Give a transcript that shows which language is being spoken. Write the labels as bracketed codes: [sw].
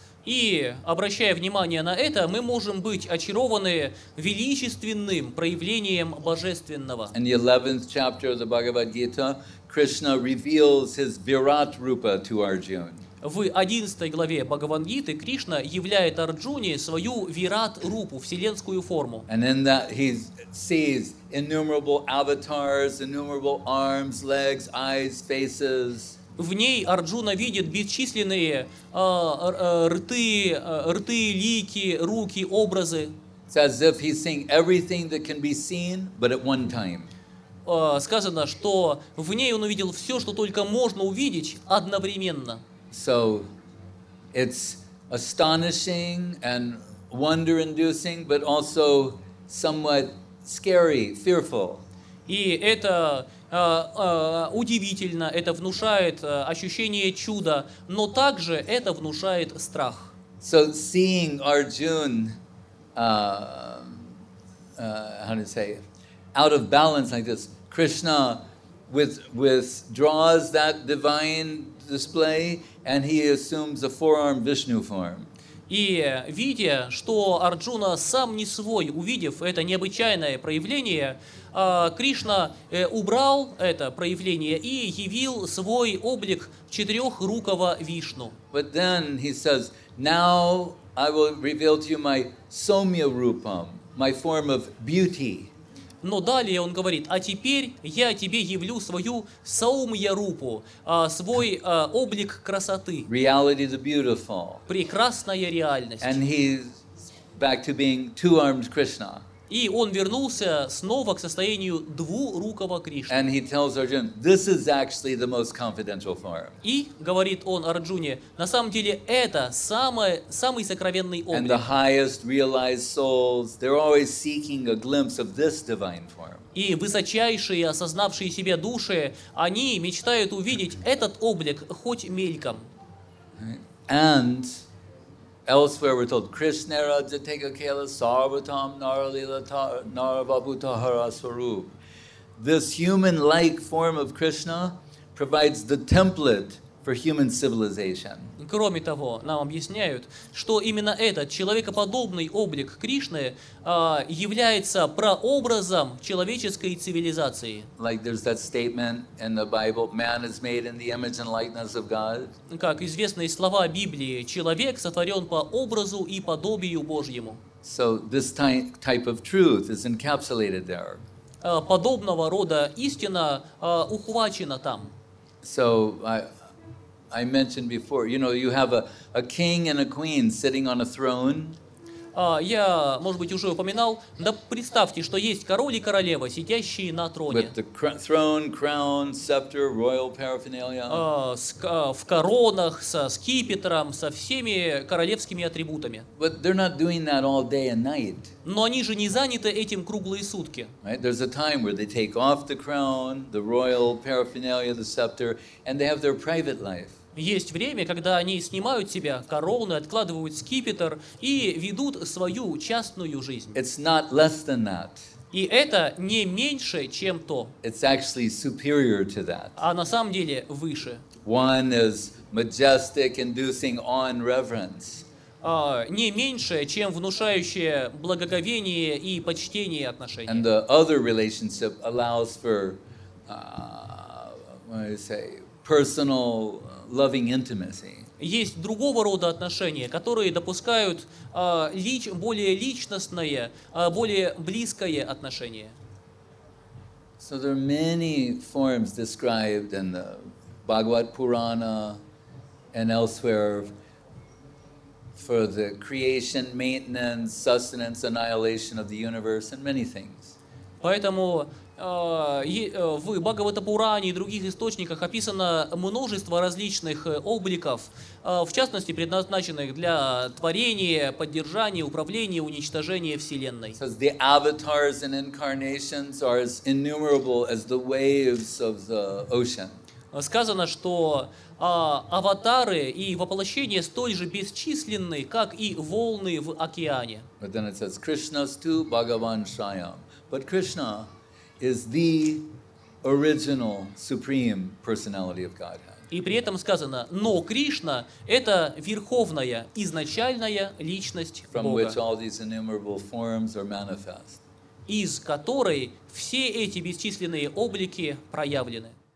[ru] И, обращая внимание на это, мы можем быть очарованы величественным проявлением божественного. [en] In the 11th chapter of the Bhagavad-gita, Krishna reveals his Virat Rupa to Arjuna. [ru] В 11 главе Бхагавад-гиты Кришна являет Арджуне свою вират-рупу, вселенскую форму. [en] And in that he sees innumerable avatars, innumerable arms, legs, eyes, faces. [ru] В ней Арджуна видит бесчисленные рты, лики, руки, образы. [en] It's as if he's seeing everything that can be seen, but at one time. [ru] Сказано, что в ней он увидел все, что только можно увидеть одновременно. [en] So, it's astonishing and wonder-inducing, but also somewhat scary, fearful. [ru] И это удивительно, это внушает ощущение чуда, но также это внушает страх. [en] So, seeing Arjuna, out of balance like this, Krishna withdraws that divine display, and he assumes a four-armed Vishnu form. [ru] И видя, что Арджуна сам не свой, увидев это необычайное проявление, Кришна убрал это проявление и явил свой облик четырехрукого Вишну. [en] But then he says, "Now I will reveal to you my Soumya Rupam, my form of beauty." [ru] Но далее он говорит, а теперь я тебе явлю свою Саумья-рупу, свой облик красоты. [en] Reality the beautiful. [ru] Прекрасная реальность. [en] And he's back to being two-armed Krishna. [ru] И он вернулся снова к состоянию двурукого Кришны. [en] And he tells Arjuna, this is actually the most confidential form. [ru] И говорит он Арджуне, на самом деле это самый сокровенный облик. [en] And the highest realized souls, they're always seeking a glimpse of this divine form. [ru] И высочайшие осознавшие себя души, они мечтают увидеть этот облик хоть мельком. [en] And Elsewhere, we're told Krishna Rajateka Kala Sarvatam Naralila Naravabhutahara Swarup. This human-like form of Krishna provides the template for human civilization. [ru] Кроме того, нам объясняют, что именно этот человекоподобный облик Кришны является прообразом человеческой цивилизации. [en] Like there's that statement in the Bible, man is made in the image and likeness of God. [ru] Как известные слова Библии, человек сотворен по образу и подобию Божьему. [en] So this type of truth is encapsulated there. [ru] Подобного рода истина ухвачена там. [en] So I mentioned before, you know, you have a king and a queen sitting on a throne. [ru] Я, может быть, уже упоминал, да представьте, что есть король и королева, сидящие на троне. [en] With the throne, crown, scepter, royal paraphernalia. [ru] В коронах, со скипетром, со всеми королевскими атрибутами. [en] But they're not doing that all day and night. [ru] Но они же не заняты этим круглые сутки. [en] Right? There's a time where they take off the crown, the royal paraphernalia, the scepter, and they have their private life. [ru] Есть время, когда они снимают себя короны, откладывают скипетр и ведут свою частную жизнь. [en] It's not less than that. [ru] И это не меньше, чем то. [en] It's actually superior to that. [ru] А на самом деле выше. [en] One is majestic, inducing awe and reverence. [ru] Не меньше, чем внушающее благоговение и почтение отношения. [en] And the other relationship allows for, what do you say, personal loving intimacy. [ru] Есть другого рода отношения, которые допускают более личностное, более близкое отношение. [en] So there are many forms described in the Bhagavad Purana and elsewhere for the creation, maintenance, sustenance, annihilation of the universe and many things. [ru] Поэтому в Бхагавата-Пуране и других источниках описано множество различных обликов, в частности, предназначенных для творения, поддержания, управления, уничтожения Вселенной. [en] So the avatars and incarnations are as innumerable as the waves of the ocean. [ru] Сказано, что аватары и воплощения столь же бесчисленны, как и волны в океане. [en] But then it says, [sa] Krishna stu Bhagavan Shayam. [en] But Krishna is the original supreme personality of Godhead. [ru] И при этом сказано, но Кришна это верховная изначальная личность Бога. [en] From which all these innumerable forms are manifest. [ru] Из которой все эти бесчисленные облики проявлены.